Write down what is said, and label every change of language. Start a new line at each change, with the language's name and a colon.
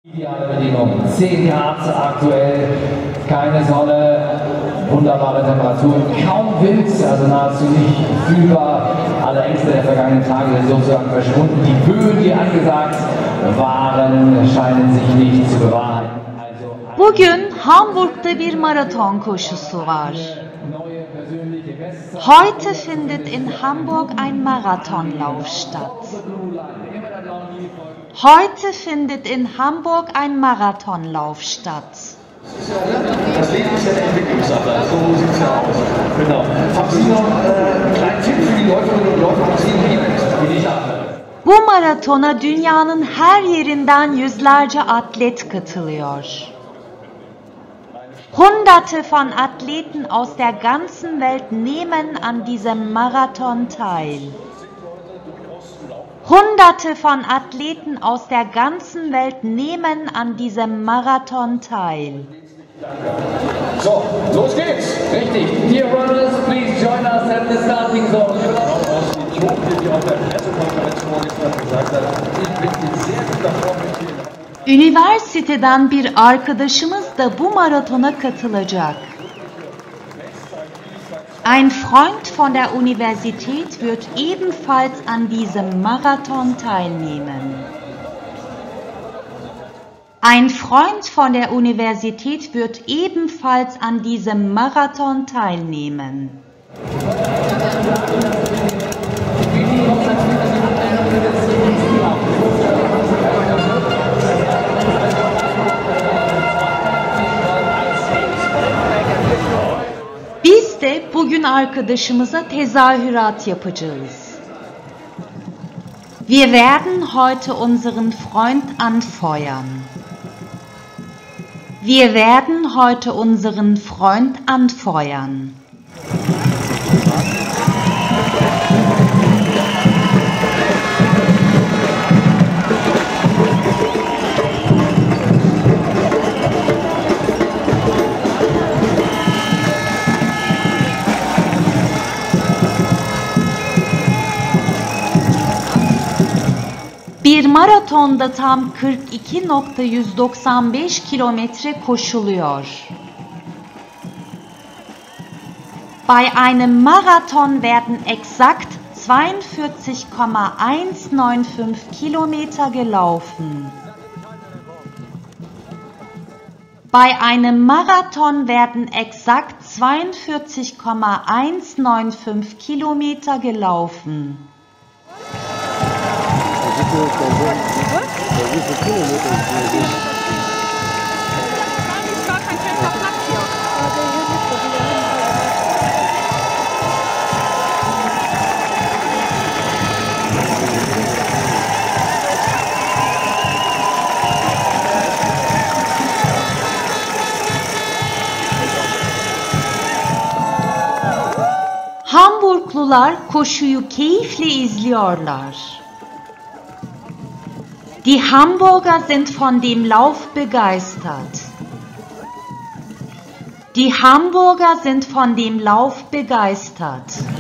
German: Ideale Bedingungen, 10 Grad aktuell, keine Sonne, wunderbare Temperaturen, kaum Wind, also nahezu nicht fühlbar. Alle Ängste der vergangenen Tage sind sozusagen verschwunden. Die Böen, die angesagt waren, scheinen sich nicht zu bewahren.
Turkish: Bugün Hamburg'da bir maraton koşusu var.
German: Heute findet in Hamburg ein Marathonlauf statt. Heute findet in Hamburg ein Marathonlauf statt. Das Leben ist ja eine Entwicklungssache, so sieht es ja aus. Genau. Haben Sie noch einen kleinen Tipp für die Läuferinnen und Läufer, was Sie lieben, wie ich habe?
Turkish: Bu maratona dünyanın her yerinden yüzlerce atlet katılıyor.
German: Hunderte von Athleten aus der ganzen Welt nehmen an diesem Marathon teil. Hunderte von Athleten aus der ganzen Welt nehmen an diesem Marathon teil. So, los geht's! Richtig!
English: Dear runners, please join us at the starting zone.
Turkish: Üniversiteden bir arkadaşımız da bu maratona katılacak.
German: Ein Freund von der Universität wird ebenfalls an diesem Marathon teilnehmen. Ein Freund von der Universität wird ebenfalls an diesem Marathon teilnehmen.
Turkish: Bugün arkadaşımıza tezahürat yapacağız.
German: Wir werden heute unseren Freund anfeuern. Wir werden heute unseren Freund anfeuern.
Turkish: Bir maratonda tam 42,195 kilometre koşuluyor.
German: Bei einem Marathon werden exakt 42,195 Kilometer gelaufen. Bei einem Marathon werden exakt 42,195 Kilometer gelaufen.
Turkish: Hamburglular koşuyu keyifle izliyorlar.
German: Die Hamburger sind von dem Lauf begeistert. Die Hamburger sind von dem Lauf begeistert.